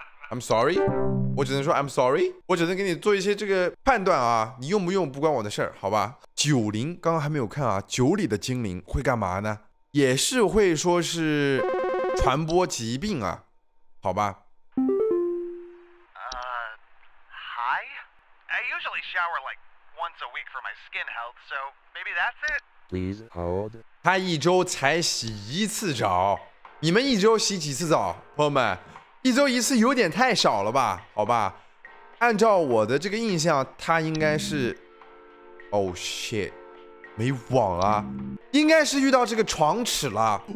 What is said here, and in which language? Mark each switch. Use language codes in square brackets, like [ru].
[en] I'm sorry， [zh] 我只能说 I'm sorry， 我只能给你做一些这个判断啊，你用不用不关我的事儿，好吧？九灵刚刚还没有看啊，九里的精灵会干嘛呢？也是会说是传播疾病啊，好吧？ [en] Hi， I usually shower like once a week for my skin health， so maybe that's it。 Please hold。 [zh] 他一周才洗一次澡，你们一周洗几次澡，朋友们？一周一次有点太少了吧？好吧，按照我的这个印象，他应该是 ， [en] Oh shit， [zh] 没网啊，应该是遇到这个床尺了。